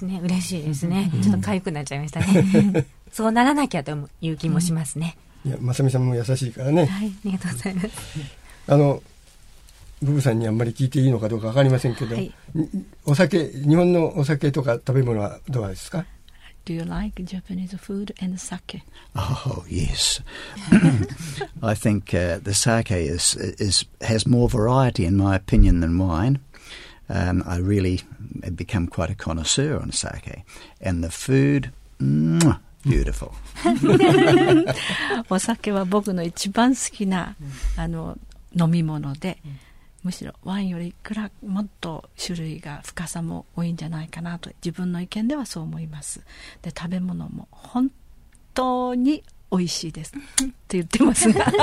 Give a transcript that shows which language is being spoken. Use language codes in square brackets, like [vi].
[ja] そうですね、嬉しいですね、ちょっと痒くなっちゃいましたね、うん、そうならなきゃという気もしますね、うん、いや、まさみさんも優しいからね、はい、ありがとうございます。あのブブさんにあんまり聞いていいのかどうか分かりませんけど、はい、お酒、日本のお酒とか食べ物はどうですか？ [en] Do you like Japanese food and sake? Oh, yes. I think、the sake has more variety in my opinion than wine.、I really have become quite a connoisseur on sake. And the food, beautiful. [ja] お酒は僕の一番好きなあの飲み物で、むしろワインよりいくらもっと種類が深さも多いんじゃないかなと自分の意見ではそう思います。で、食べ物も本当に美味しいですって言ってますが